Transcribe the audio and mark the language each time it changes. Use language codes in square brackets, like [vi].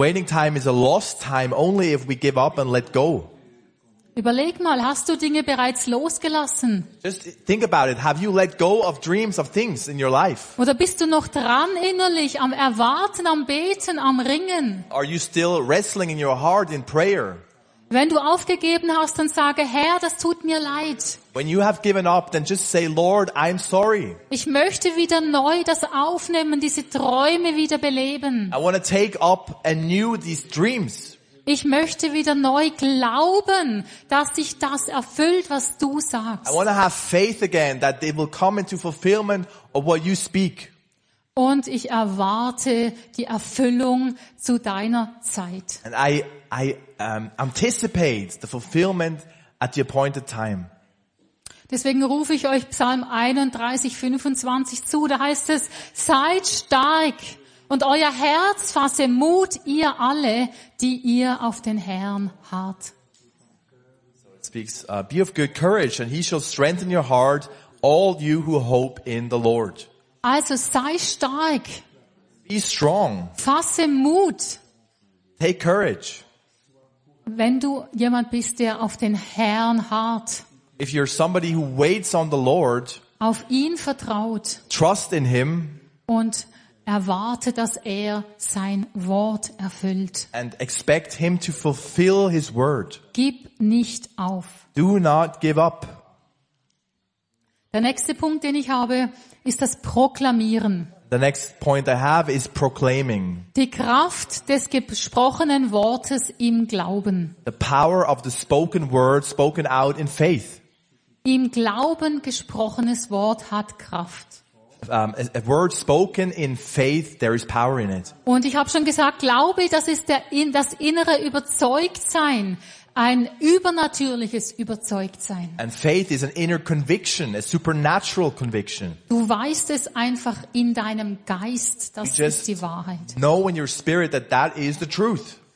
[en] The waiting time is a lost time only if we give up and let go. [de] Überleg mal, hast du Dinge bereits losgelassen? [en] Just think about it. Have you let go of dreams of things in your life? [de] Oder bist du noch dran innerlich am Erwarten, am Beten, am Ringen? [en] Are you still wrestling in your heart in prayer? [de] Wenn du aufgegeben hast, dann sage, Herr, das tut mir leid. [en] When you have given up, then just say, Lord, I'm sorry. [de] Ich möchte wieder neu das aufnehmen, diese Träume wieder beleben. [en] I want to take up anew these dreams. [de] Ich möchte wieder neu glauben, dass sich das erfüllt, was du sagst. [en] I want to have faith again that they will come into fulfillment of what you speak. [de] Und ich erwarte die Erfüllung zu deiner Zeit. [en] And I anticipate the fulfillment at the appointed time. [de] Deswegen rufe ich euch Psalm 31, 25 zu. Da heißt es, seid stark und euer Herz fasse Mut, ihr alle, die ihr auf den Herrn harrt. [en] So it speaks, be of good courage and he shall strengthen your heart, all you who hope in the Lord. [de] Also sei stark. [en] Be strong. [de] Fasse Mut. [en] Take courage. [de] Wenn du jemand bist, der auf den Herrn harrt, [en] if you're somebody who waits on the Lord, [de] auf ihn vertraut, [en] trust in him, [de] und erwarte, dass er sein Wort erfüllt, [en] and expect him to fulfill his word, [de] gib nicht auf. [en] Do not give up. [de] Der nächste Punkt, den ich habe, ist das Proklamieren. [en] The next point I have is proclaiming. [de] Die Kraft des gesprochenen Wortes im Glauben. [en] The power of the spoken word spoken out in faith. [de] Im Glauben gesprochenes Wort hat Kraft. [en] A word spoken in faith, there is power in it. [de] Und ich habe schon gesagt, Glaube, das ist das innere Überzeugtsein, ein übernatürliches Überzeugtsein. [en] And faith is an inner conviction, a supernatural conviction. [de] Du weißt es einfach in deinem Geist, das ist die Wahrheit. [en] You know in your spirit that that is the truth.